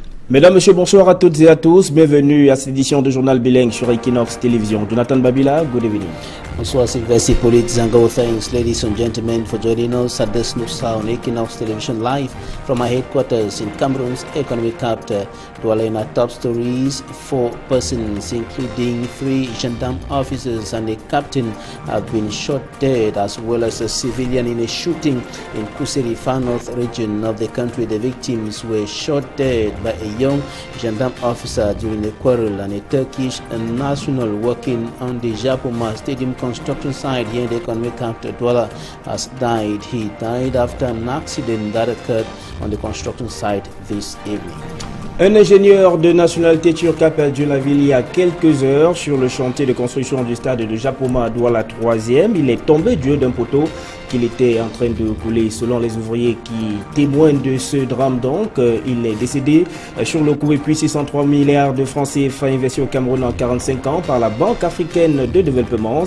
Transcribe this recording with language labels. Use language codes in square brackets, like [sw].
[fr] Mesdames, Messieurs, bonsoir à toutes et à tous. Bienvenue à cette édition du journal bilingue sur Equinox Télévision. [en] Jonathan Babila, good evening. [fr] Bonsoir, Sylvester Hippolyte Zango. [en] Thanks, ladies and gentlemen, for joining us at this news on Equinox Television Live from our headquarters in Cameroon's economic capital, Douala. In our top stories, 4 persons, including 3 gendarme officers and a captain, have been shot dead, as well as a civilian in a shooting in Kusiri, far north region of the country. The victims were shot dead by a young gendarme officer during a quarrel, and a Turkish national working on the Japuma Stadium construction site here in the economic capital Douala has died. He died after an accident that occurred on the construction site this evening. [fr] Un ingénieur de nationalité turque a perdu la vie il y a quelques heures sur le chantier de construction du stade de Japuma à Douala 3e. Il est tombé du haut d'un poteau qu'il était en train de couler. Selon les ouvriers qui témoignent de ce drame, donc, il est décédé sur le coup. Et puis 603 milliards de francs CFA investis au Cameroun en 45 ans par la Banque africaine de développement.